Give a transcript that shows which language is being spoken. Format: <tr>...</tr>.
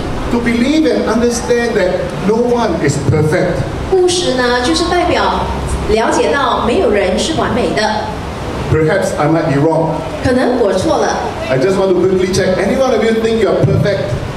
<en>To believe and understand that no one is perfect.</en> <zh>故事呢，就是代表了解到没有人是完美的。</zh> <en>Perhaps I might be wrong.</en> <zh>可能我错了。</zh> <en>I just want to quickly check. Any one of you think you are perfect?</en>